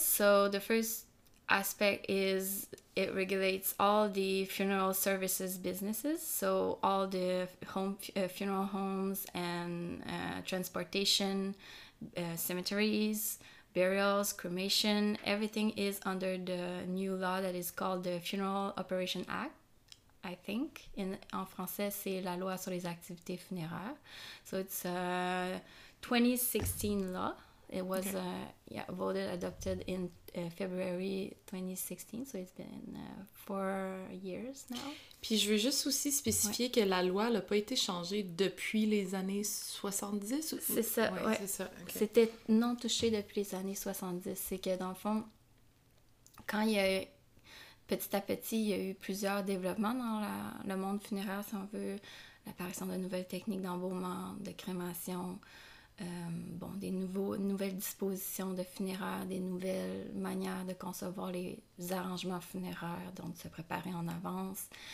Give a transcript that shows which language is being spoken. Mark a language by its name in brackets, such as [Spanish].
[English] So the first aspect is it regulates all the funeral services businesses, so all the funeral homes and transportation, cemeteries, burials, cremation, everything is under the new law that is called the Funeral Operation Act, I think. [French] En français, c'est la loi sur les activités funéraires. [English] So it's a 2016 law. It was voted, adopted in February 2016, so it's been 4 years now. [French] Puis je veux juste aussi spécifier que la loi n'a pas été changée depuis les années 70? C'est ça. Okay. C'était non touché depuis les années 70. C'est que dans le fond, quand il y a petit à petit, il y a eu plusieurs développements dans le monde funéraire, si on veut, l'apparition de nouvelles techniques d'embaumement, de crémation, des nouvelles dispositions de funéraires, des nouvelles manières de concevoir les arrangements funéraires, donc de se préparer en avance.